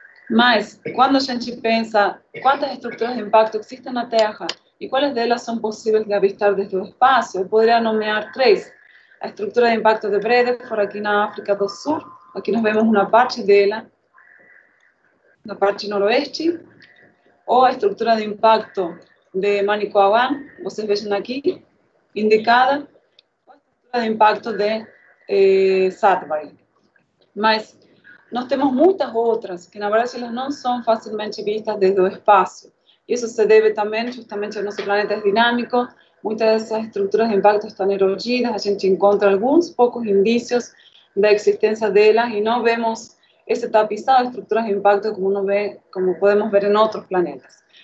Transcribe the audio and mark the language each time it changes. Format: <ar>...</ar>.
<pt>Mas, quando a gente pensa quantas estruturas de impacto existem na Terra e quais delas são possíveis de avistar desde o espaço, eu poderia nomear três. A estrutura de impacto de Bredel, por aqui na África do Sul. Aqui nós vemos uma parte dela, na parte noroeste. Ou a estrutura de impacto</pt> <es>de Mónica Aguán, ustedes ven aquí, indicada la estructura de impacto de Sudbury.</es> <pt>Mas nós temos muitas outras que, na verdade, elas não são facilmente vistas desde o espaço. Isso se deve também, justamente, ao nosso planeta dinâmico. Muitas dessas estruturas de impacto estão erodidas, a gente encontra alguns poucos indícios da existência delas e não vemos esse tapizado de estruturas de impacto como, como podemos ver em outros planetas.</pt>